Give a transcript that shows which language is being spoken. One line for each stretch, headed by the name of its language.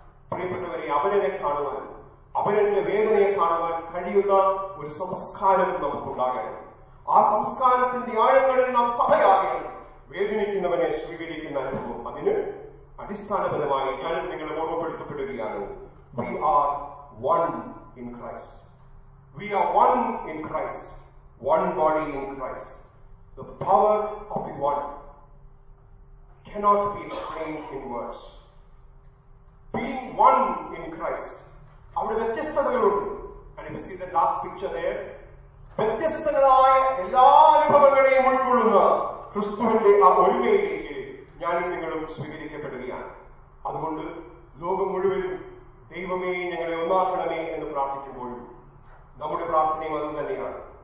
Malayalam: പ്രിയപ്പെട്ടവരെ, അവരനെ കാണുവാൻ, അവരന്റെ വേദനയെ കാണുവാൻ കഴിയുന്ന ഒരു സംസ്കാരം നമുക്കുണ്ടാകണം. ആ സംസ്കാരത്തിന്റെ ആഴങ്ങളിൽ നാം സഭയാകണം. വേദനിക്കുന്നവനെ സ്വീകരിക്കുന്ന അനുഭവം. അതിന് അടിസ്ഥാനപരമായി ഞാൻ നിങ്ങളെ ഓർമ്മപ്പെടുത്തപ്പെടുകയാണ്,
English: We are one in Christ. We are one in Christ, one body in Christ. The power of the one cannot be explained in words. being one in Christ.
Malayalam: അവിടെ വ്യത്യസ്തതകളുണ്ട്.
English: And you can see the last picture there.
Malayalam: വ്യത്യസ്തങ്ങളായ എല്ലാ വിഭവങ്ങളെയും ഉൾക്കൊള്ളുന്ന ക്രിസ്തുവിന്റെ ആ ഒരുമയിലേക്ക് ഞാനും നിങ്ങളും സ്വീകരിക്കപ്പെടുകയാണ്. അതുകൊണ്ട് ലോകം മുഴുവനും ദൈവമേ ഞങ്ങളെ ഒന്നാക്കണമേ എന്ന് പ്രാർത്ഥിക്കുമ്പോഴും നമ്മുടെ പ്രാർത്ഥനയും അത് തന്നെയാണ്.